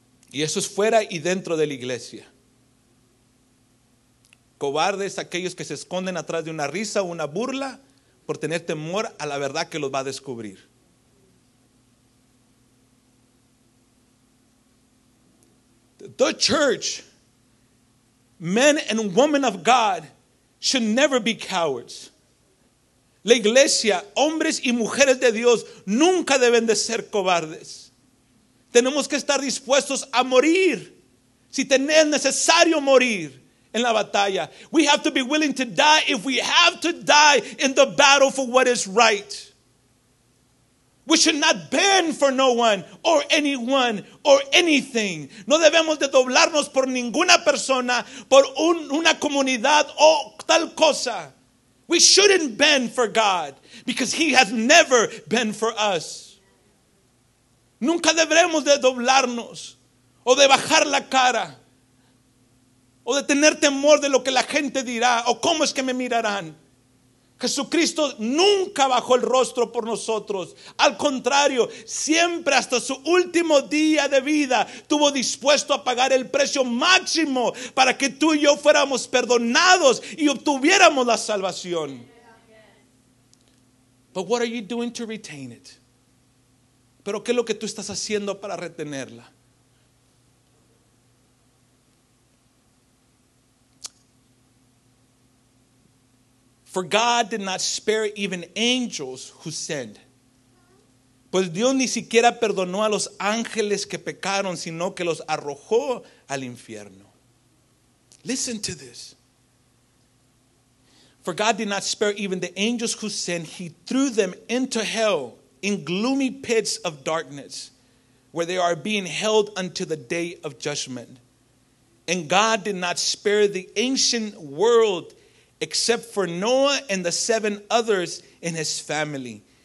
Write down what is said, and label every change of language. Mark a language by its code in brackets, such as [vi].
[es] Y eso es fuera y dentro de la iglesia. Cobarde es aquellos que se esconden atrás de una risa o una burla por tener temor a la verdad que los va a descubrir. [en] The church, men and women of God, should never be cowards. [es] La iglesia, hombres y mujeres de Dios, nunca deben de ser cobardes. Tenemos que estar dispuestos a morir, si es necesario morir en la batalla. [en] We have to be willing to die if we have to die in the battle for what is right. We should not bend for no one or anyone or anything. [es] No debemos de doblarnos por ninguna persona, por una comunidad o tal cosa. [en] We shouldn't bend for God because He has never bent for us. [es] Nunca debemos de doblarnos o de bajar la cara o de tener temor de lo que la gente dirá o cómo es que me mirarán. Jesucristo nunca bajó el rostro por nosotros. Al contrario, siempre hasta su último día de vida tuvo dispuesto a pagar el precio máximo para que tú y yo fuéramos perdonados y obtuviéramos la salvación. [en] But what are you doing to retain it? [es] ¿Pero qué es lo que tú estás haciendo para retenerla? [en] For God did not spare even angels who sinned. [es] Pues Dios ni siquiera perdonó a los ángeles que pecaron, sino que los arrojó al infierno. [en] Listen to this. For God did not spare even the angels who sinned. He threw them into hell in gloomy pits of darkness where they are being held until the day of judgment. And God did not spare the ancient world except for Noah and the seven others in his family.